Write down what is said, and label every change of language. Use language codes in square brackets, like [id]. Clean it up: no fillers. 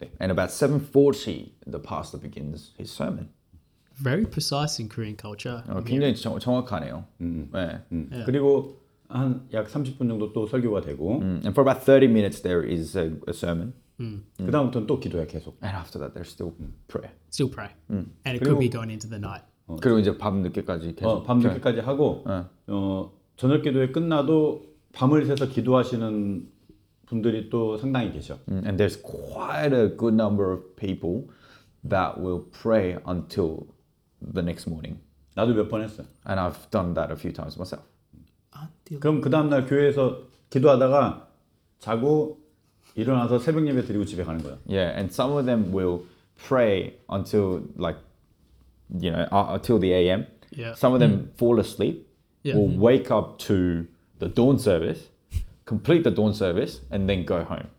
[en] about 7:40 the pastor begins his sermon. Very precise in Korean culture. [ko] 굉장히 정확하네요. 그리고 한 약 30분 정도 또 설교가 되고. [en] And for about 30 minutes there is a sermon. [ko] 그다음부터는 또 기도야 계속. [en] And after that there's still prayer. Still pray. And it could be going into the night. [ko] 그리고 이제 밤 늦게까지 계속 밤 늦게까지 하고 저녁 기도회 끝나도 밤을 새서 기도하시는 분들이 또 상당히 계셔. [en] And there's quite a good number of people that will pray until the next morning. [ko] 나도 몇 번 했어. [en] And I've done that a few times myself. [ko] 그럼 그 다음 날 교회에서 기도하다가 자고 일어나서 새벽 예배 드리고 집에 가는 거야. [en] Yeah, and some of them will pray until like you know, until the AM. Yeah. Some of them fall asleep, or wake up to the dawn service, complete the dawn service, and then go home.